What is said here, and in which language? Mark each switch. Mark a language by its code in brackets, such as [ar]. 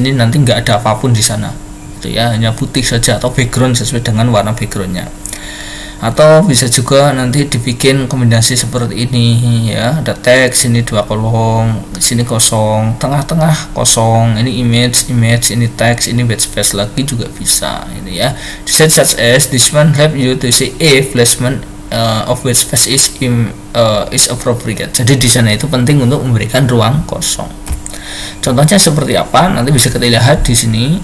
[id] Ini nanti nggak ada apapun di sana itu ya, hanya putih saja atau background sesuai dengan warna backgroundnya. Atau bisa juga nanti dibikin kombinasi seperti ini ya, ada teks ini dua kolom, di sini kosong, tengah-tengah kosong, ini image, image, ini teks, ini white space lagi juga bisa ini ya. [en] Design such as this one help you to see if placement of white space is appropriate. [id] Jadi di sana itu penting untuk memberikan ruang kosong. Contohnya seperti apa nanti bisa kita lihat di sini.